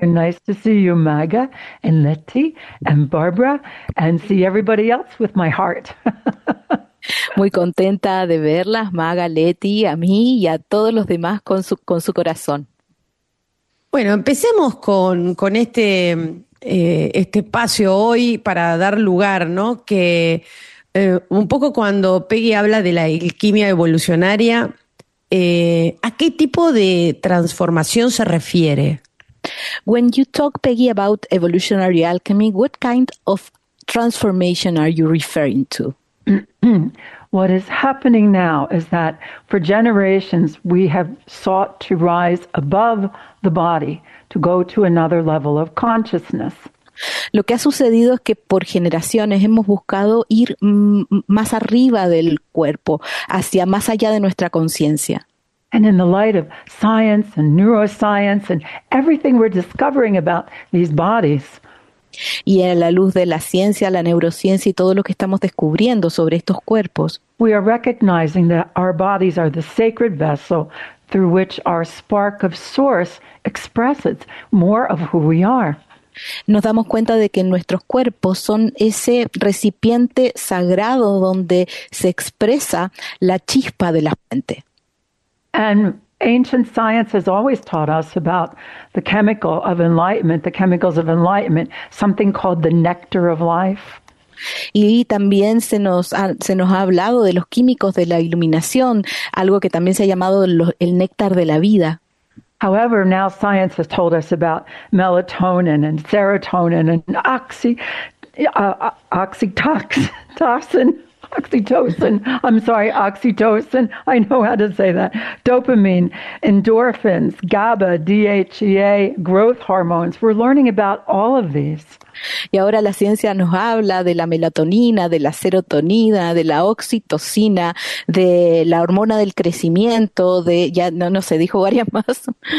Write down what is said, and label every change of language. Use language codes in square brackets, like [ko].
[en] Nice to see you, Maga, and Leti, and Barbara, and see everybody else with my heart. [es] Muy contenta de verlas, Maga, Leti, a mí y a todos los demás con su corazón. Bueno, empecemos con este espacio hoy para dar lugar, ¿no? Que un poco cuando Peggy habla de la alquimia evolucionaria, ¿a qué tipo de transformación se refiere? [en] When you talk, Peggy, about evolutionary alchemy, what kind of transformation are you referring to? What is happening now is that for generations we have sought to rise above the body, to go to another level of consciousness. [es] Lo que ha sucedido es que por generaciones hemos buscado ir más arriba del cuerpo, hacia más allá de nuestra conciencia. [en] And in the light of science and neuroscience and everything we're discovering about these bodies, [es] y en la luz de la ciencia, la neurociencia y todo lo que estamos descubriendo sobre estos cuerpos, [en] we are recognizing that our bodies are the sacred vessel through which our spark of source expresses more of who we are. [es] Nos damos cuenta de que nuestros cuerpos son ese recipiente sagrado donde se expresa la chispa de la fuente. [en] And ancient science has always taught us about the chemical of enlightenment, the chemicals of enlightenment, something called the nectar of life. [es] Y también se nos ha hablado de los químicos de la iluminación, algo que también se ha llamado el néctar de la vida. [en] However, now science has told us about melatonin and serotonin and oxytocin, I know how to say that, dopamine, endorphins, GABA, DHEA, growth hormones. We're learning about all of these. [es] Y ahora la ciencia nos habla de la melatonina, de la serotonina, de la oxitocina, de la hormona del crecimiento, de ya no se dijo varias más.